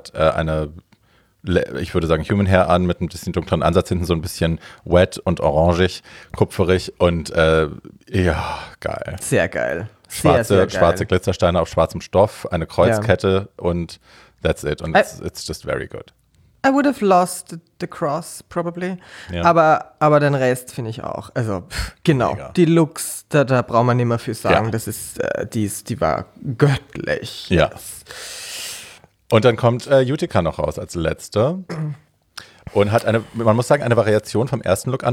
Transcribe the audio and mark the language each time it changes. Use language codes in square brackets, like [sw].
[de] Sie hat eine, ich würde sagen, Human Hair an mit einem bisschen dunklen Ansatz hinten, so ein bisschen wet und orangig, kupferig und ja, geil. Sehr geil. Schwarze Glitzersteine auf schwarzem Stoff, eine Kreuzkette und [en] that's it. Und it's just very good. I would have lost the cross, probably. [de] Ja. Aber den Rest finde ich auch. Also, genau. Mega. Die Looks, da braucht man nicht mehr viel sagen. Ja. Das ist, die war göttlich. Ja. Yes. Und dann kommt Utica noch raus als Letzte. Und hat eine Variation vom ersten Look an.